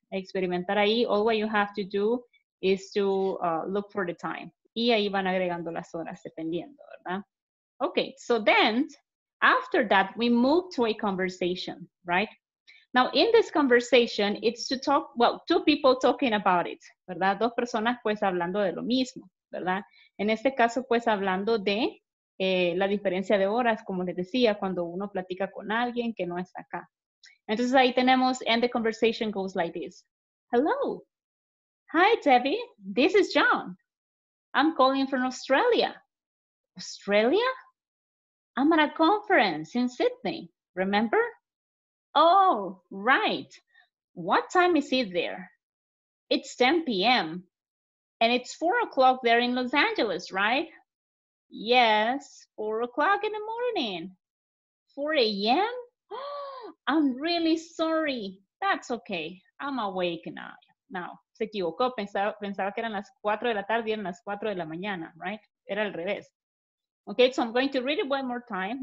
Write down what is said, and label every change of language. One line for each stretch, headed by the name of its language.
Spanish: Experimentar ahí,
English: all what you have to do is to look for the time.
Spanish: Y ahí van agregando las horas dependiendo, ¿verdad?
English: Ok, so then... After that, we move to a conversation, right? Now, in this conversation, it's to talk, well, two people talking about it, ¿verdad?
Spanish: Dos personas, pues, hablando de lo mismo, ¿verdad? En este caso, pues, hablando de la diferencia de horas, como les decía, cuando uno platica con alguien que no está acá. Entonces, ahí tenemos,
English: and the conversation goes like this. Hello. Hi, Debbie. This is John. I'm calling from Australia. Australia? I'm at a conference in Sydney, remember? Oh, right. What time is it there? It's 10 p.m. And it's 4 o'clock there in Los Angeles, right? Yes, 4 o'clock in the morning. 4 a.m.? I'm really sorry. That's okay. I'm awake now.
Spanish: Now, se equivocó. Pensaba que eran las 4 de la tarde y eran las 4 de la mañana, right? Era al revés.
English: Okay, so I'm going to read it one more time.